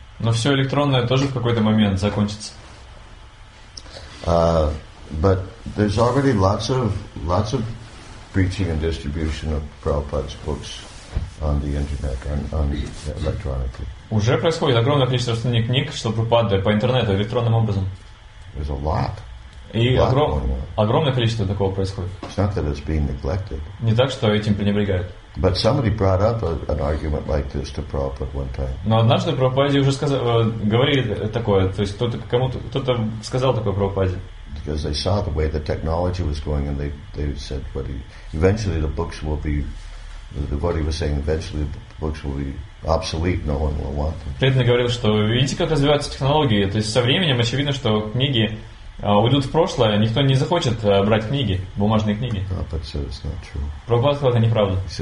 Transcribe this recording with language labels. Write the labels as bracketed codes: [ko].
[ru] Но все электронное тоже в какой-то момент закончится. [en] But there's already lots of preaching and distribution of Prabhupada's books on the internet and on electronically. [ru] Уже происходит огромное количество распространения книг, что Прабхупада по интернету электронным образом. [en] There's a lot. [ru] И огромное количество такого происходит. [en] It's not that it's being neglected. [ru] Не так, что этим пренебрегают. [en] But somebody brought up an argument like this to Prabhupada one time. [ru] Но однажды Прабхупаде уже говорили такое, то есть кто-то сказал такое Прабхупаде. [en] Because they saw the way the technology was going, and they said, "What? Eventually, the books will be." The devotee was saying, "Eventually, the books will be obsolete. No one will want them." [ru] Преданный говорил, что видите, как развиваются технологии, то есть со временем очевидно, что книги уйдут в прошлое, никто не захочет брать книги, бумажные книги. Прабхупада сказал, это неправда.